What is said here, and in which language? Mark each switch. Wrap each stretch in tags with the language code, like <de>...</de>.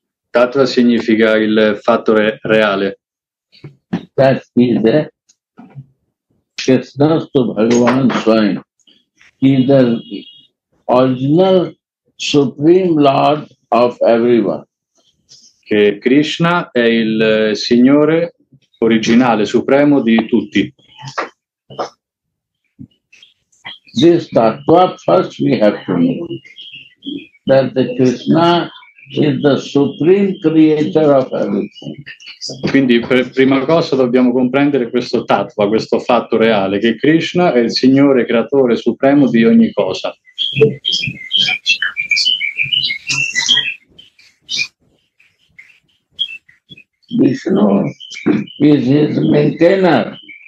<it>Tattva significa il fatto reale.</it> <en>That is it. Krishna to Bhagavan Swami. He is the original supreme lord of everyone.</en> <it>Che Krishna è il signore originale, supremo di tutti.</it> <en>This tattva first we have to know. That the Krishna is the supreme creator of everything.</en> <it>Quindi per prima cosa dobbiamo comprendere questo tattva, questo fatto reale, che Krishna è il signore creatore supremo di ogni cosa.</it> <en>Vishnu is his maintainer.</en>